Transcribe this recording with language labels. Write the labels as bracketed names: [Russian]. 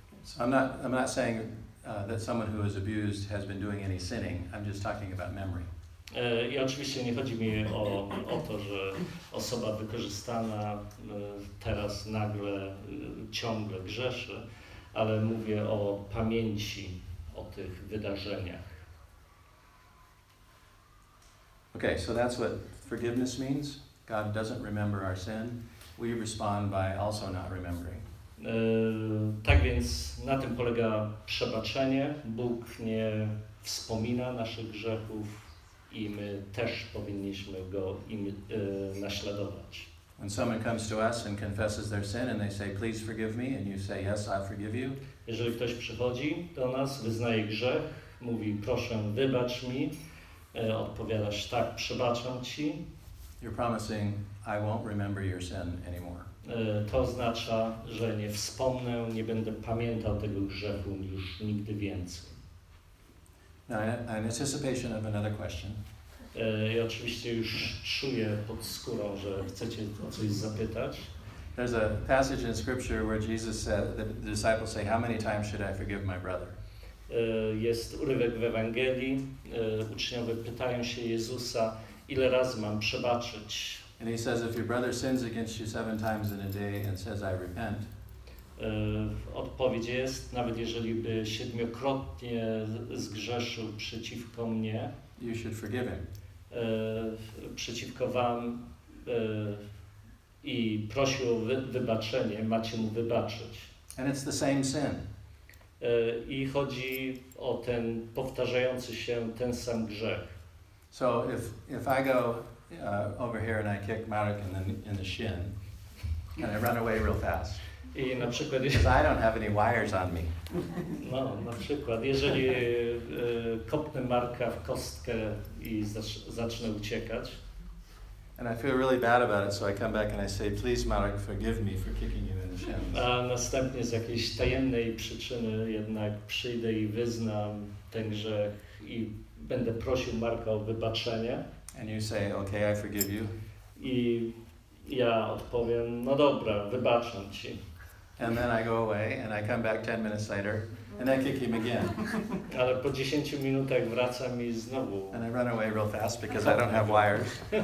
[English] So I'm not saying that someone who is abused has been doing any sinning. I'm just talking about memory. [Polish] I oczywiście nie chodzi mi o to, że osoba wykorzystana teraz nagle ciągle grzeszy, ale mówię o pamięci o tych wydarzeniach. [English] Okay, so that's what forgiveness means. God doesn't remember our sin, we respond by also not remembering. [Polish] Tak więc na tym polega przebaczenie. Bóg nie wspomina naszych grzechów i my też powinniśmy go im naśladować. [English] When someone comes to us and confesses their sin and they say, please forgive me, and you say, yes, I forgive you. [Polish] Jeżeli ktoś przychodzi do nas, wyznaje grzech, mówi, proszę, wybacz mi, odpowiadasz, tak, przebaczam ci. [English] You're promising, I won't remember your sin anymore. [Polish] To oznacza, że nie wspomnę, nie będę pamiętał tego grzechu już nigdy więcej. [English] Now, in anticipation of another question. [Polish] I oczywiście już czuję pod skórą, że chcecie o coś zapytać. [English] There's a passage in scripture where Jesus said, the disciples say, how many times should I forgive my brother? [Polish] Jest urywek w Ewangelii, uczniowie pytają się Jezusa, ile razy mam przebaczyć. [English] And he says, if your brother sins against you seven times in a day and says, I repent. [Polish] Odpowiedź jest, nawet jeżeli by siedmiokrotnie zgrzeszył przeciwko mnie, [English] you should forgive him. [Polish] Przeciwko wam i prosił o wybaczenie, macie mu wybaczyć. [English] And it's the same sin. [Polish] I chodzi o ten powtarzający się ten sam grzech. [English] So if I go over here and I kick Marek in the shin and I run away real fast. [Polish] I na przykład, [English] I don't have any wires on me. [Polish] No, na przykład, jeżeli kopnę Marka w kostkę i zacznę uciekać. [English] And I feel really bad about it, so I come back and I say, please, Marek, forgive me for kicking you in the shin. [Polish] A następnie z jakiejś tajemnej przyczyny jednak przyjdę i wyznam ten grzech i będę prosił Marka o wybaczenie. [English] And you say, okay, I forgive you. [Polish] I ja odpowiem, no dobra, wybaczam ci. [English] And then I go away and I come back 10 minutes later and I kick him again. [Polish] Ale po 10 minutach wracam i znowu. [English] And I run away real fast because I don't have wires.